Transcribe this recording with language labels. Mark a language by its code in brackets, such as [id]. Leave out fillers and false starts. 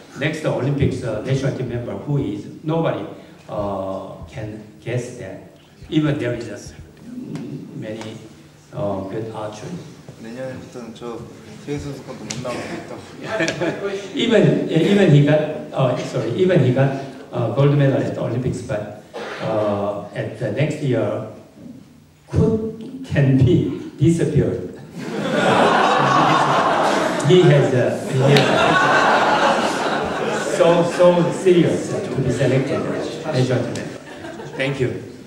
[en] Next Olympics national team member, who is nobody can guess that. Even there is many good archers. [ko] 내년부터는 저 선수권도 못 나오고 있다. [en] Even he got gold medal at the Olympics, but at the next year, could can be disappeared. he has so serious to be selected as a gold medal. Thank you.